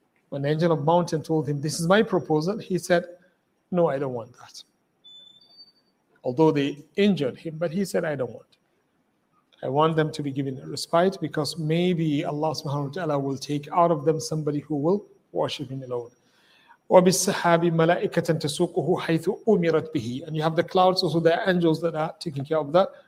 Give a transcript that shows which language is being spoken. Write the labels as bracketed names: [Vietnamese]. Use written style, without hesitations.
[English] When the angel of mountain told him, this is my proposal, he said, no, I don't want that. Although they injured him, but he said, I don't want. I want them to be given a respite because maybe Allah subhanahu wa ta'ala will take out of them somebody who will worship him alone. [Arabic] وَبِالسَّحَابِ مَلَائِكَةً تَسُوقُهُ حَيْثُ أُمِرَتْ بِهِ. [English] And you have the clouds, also the angels that are taking care of that.